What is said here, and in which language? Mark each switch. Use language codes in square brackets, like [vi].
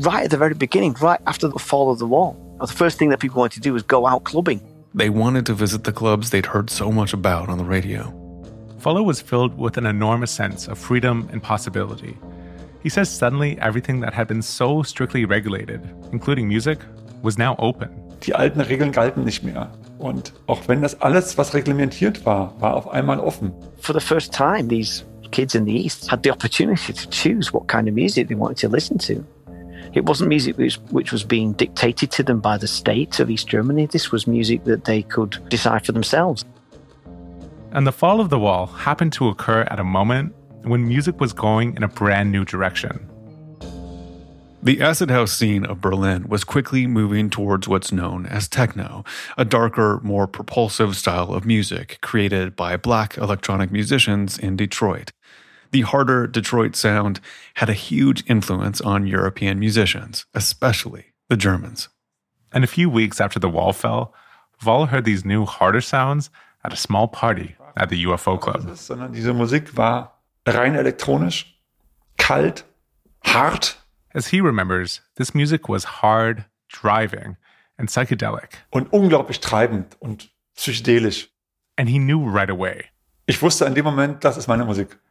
[en] Right at the very beginning, right after the fall of the wall, the first thing that people wanted to do was go out clubbing. They wanted to visit the clubs they'd heard so much about on the radio. Vola was filled with an enormous sense of freedom and possibility. He says suddenly everything that had been so strictly regulated, including music, was now open. [de] Die alten Regeln galten nicht mehr. Und auch wenn das alles, was reglementiert war, war auf einmal offen. [en] For the first time, these kids in the East had the opportunity to choose what kind of music they wanted to listen to. It wasn't music which was being dictated to them by the state of East Germany. This was music that they could decide for themselves. And the fall of the wall happened to occur at a moment when music was going in a brand new direction. The acid house scene of Berlin was quickly moving towards what's known as techno, a darker, more propulsive style of music created by black electronic musicians in Detroit. The harder Detroit sound had a huge influence on European musicians, especially the Germans. And a few weeks after the wall fell, Vola heard these new harder sounds at a small party at the UFO club. [de] Diese Musik war rein elektronisch, kalt, hart. [en] As he remembers, this music was hard, driving, and psychedelic. [de] Und unglaublich treibend und psychedelisch. [en] And he knew right away. [de] Ich wusste in dem Moment, das ist meine Musik.